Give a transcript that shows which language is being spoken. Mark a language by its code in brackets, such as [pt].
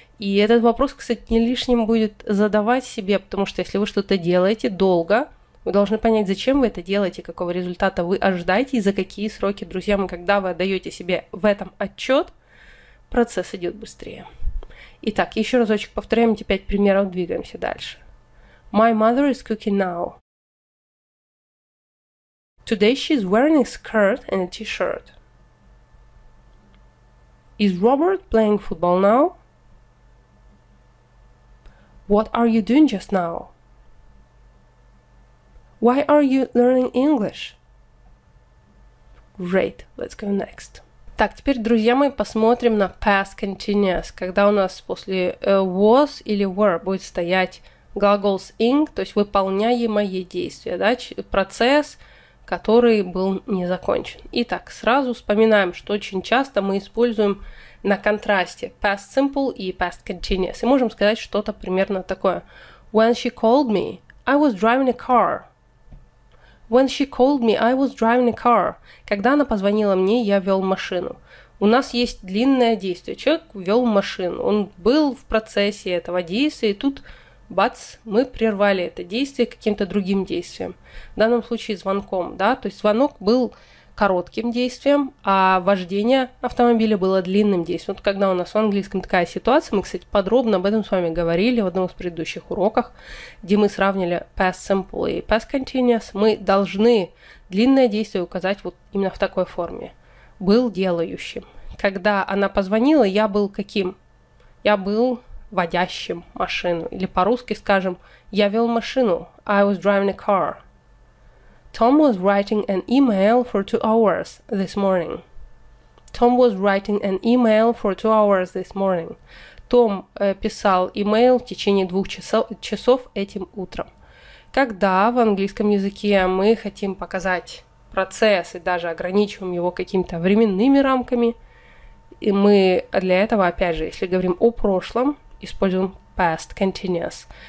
[ru] И этот вопрос, кстати, не лишним будет задавать себе, потому что если вы что-то делаете долго, вы должны понять, зачем вы это делаете, какого результата вы ожидаете и за какие сроки. Друзья мои, когда вы отдаете себе в этом отчет, процесс идет быстрее. Итак, еще разочек повторяем эти 5 примеров, двигаемся дальше. [en] My mother is cooking now. Today she is wearing a skirt and a t-shirt. Is Robert playing football now? What are you doing just now? Why are you learning English? Great, let's go next. [ru] Так, теперь, друзья мои, посмотрим на past continuous, когда у нас после was или were будет стоять глаголs ing, то есть выполняемое действие, да, процесс, который был не закончен. Итак, сразу вспоминаем, что очень часто мы используем на контрасте past simple и past continuous, и можем сказать что-то примерно такое. [en] When she called me, I was driving a car. When she called me, I was driving a car. [ru] Когда она позвонила мне, я вел машину. У нас есть длинное действие. Человек вел машину. Он был в процессе этого действия, и тут, бац, мы прервали это действие каким-то другим действием. В данном случае звонком, да? То есть звонок был коротким действием, а вождение автомобиля было длинным действием. Вот когда у нас в английском такая ситуация, мы, кстати, подробно об этом с вами говорили в одном из предыдущих уроков, где мы сравнили past simple и past continuous, мы должны длинное действие указать вот именно в такой форме. Был делающим. Когда она позвонила, я был каким? Я был водящим машину. Или по-русски скажем, я вел машину. [en] I was driving a car. Tom was writing an email for 2 hours this morning. Tom was writing an email for 2 hours this morning. [ru] Том писал email в течение 2 часов этим утром. Когда в английском языке мы хотим показать процесс и даже ограничиваем его какими-то временными рамками, и мы для этого, опять же, если говорим о прошлом, используем past continuous.